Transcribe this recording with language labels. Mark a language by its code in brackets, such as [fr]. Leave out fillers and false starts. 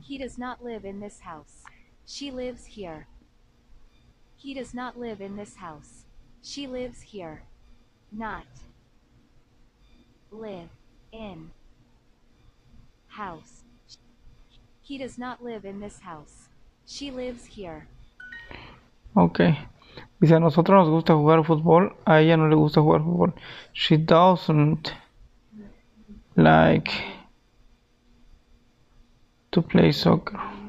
[en] He does not live in this house. She lives here. He does not live in this house. She lives here. Not live in house. He does not live in this house. She lives here. Okay. [es] Dice, a nosotros nos gusta jugar fútbol. A ella no le gusta jugar fútbol. [en] She doesn't like to play soccer.